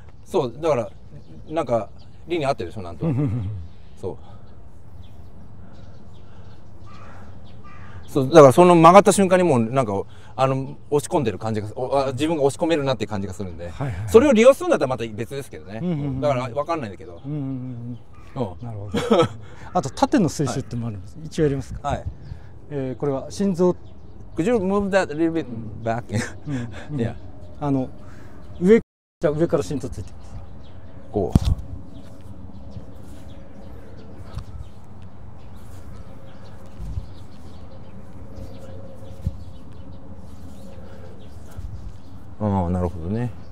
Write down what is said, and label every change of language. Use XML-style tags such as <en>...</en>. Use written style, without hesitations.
<ja>そうだからなんか理に合ってるでしょ、なんとそう、そう、だからその曲がった瞬間にもうなんか押し込んでる感じが、自分が押し込めるなっていう感じがするんで、はいはい、それを利用するんだったらまた別ですけどね、だから分かんないんだけど、なるほどあと縦の推奨ってもあるんです、はい、一応やりますか、はい、これは心臓、</ja> <en>Could you move that a little bit back? yeah.</en> <ja>あの上、じゃあ上から心臓ついてます、こう、ああ、なるほどね。</ja>